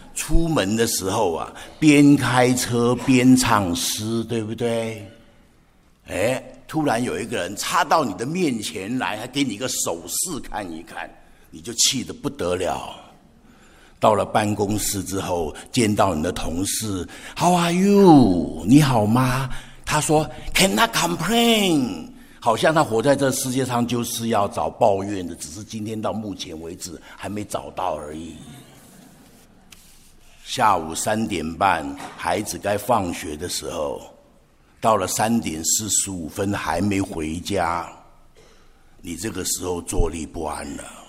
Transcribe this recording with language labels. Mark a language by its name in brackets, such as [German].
[Chinese] 出门的时候啊，边开车边唱诗，对不对？哎，突然有一个人插到你的面前来，还给你一个手势看一看，你就气得不得了。到了办公室之后，见到你的同事 [English] How are you? [Chinese] 你好吗？他说 [English] Can I complain? [Chinese] 好像他活在这世界上就是要找抱怨的，只是今天到目前为止还没找到而已。下午3:30，孩子该放学的时候，到了3:45还没回家，你这个时候坐立不安了。